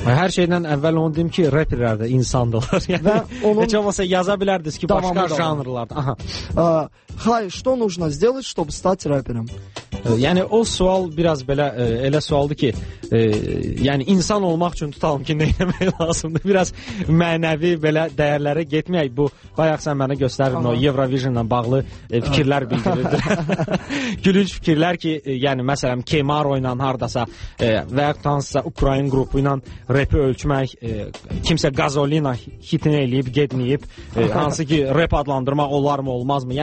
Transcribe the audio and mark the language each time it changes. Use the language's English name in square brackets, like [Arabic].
[Azerbaijani] Hər şeydən əvvəl onu deyim ki, rapperlər də insandırlar. Və onun heç olmasa yaza bilərdiniz ki, başqa janrlarda. [Russian] Hay, что нужно сделать, чтобы стать рэпером? [Azerbaijani] Yəni o sual biraz belə elə sualdır ki, yəni insan olmaq üçün tutalım ki, nə etmək lazımdır? Biraz mənəvi belə dəyərlərə getməyək. Bu bayaq sən mənə göstərdin o Eurovision-la bağlı fikirlər bildirirdi. Gülünc fikirlər ki, yəni məsələn Kemar oynan hardasa və yaxud hansısa Ukrayn qrupu ilə rapi ölçmək, kimsə Gazolina hitini eləyib getməyib, hansı ki rap adlandırmaq olarmı, olmazmı?